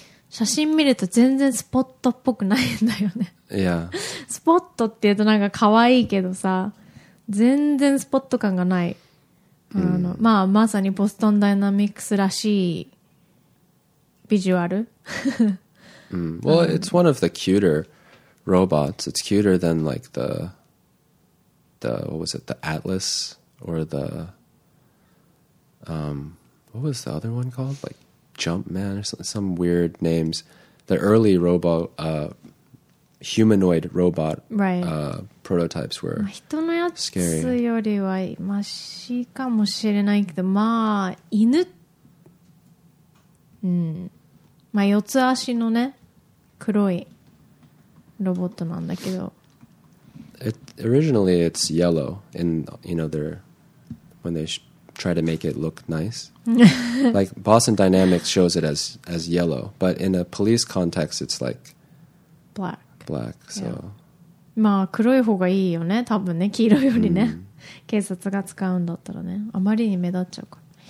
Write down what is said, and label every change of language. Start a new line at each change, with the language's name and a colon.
Japanese: 写真見ると全然スポットっぽくないんだよね。いや。スポットって言うとなんか可愛いけどさ、全然スポット感がない。まあまさにボストンダイナミクスらしいビジュアル。
English: Well, it's one of the cuter robots. It's cuter than like the what was it? The Atlas or the what was the other one called? Like. Jumpman or some weird names, the early robot humanoid robot、 right. Prototypes were scary.
Japanese: 人のやつよりはマシかもしれないけど、まあ犬、うん、まあ四つ足のね黒いロボットなんだけど。
English: It, originally it's yellow, and you know they're when they. Try to make it look nice. Like Boston Dynamics shows it as yellow, but in a police context, it's like black. So,
Japanese: まあ黒い方がいいよね。多分ね、黄色よりね。警察が使うんだったらね、あまりに目立っちゃうから。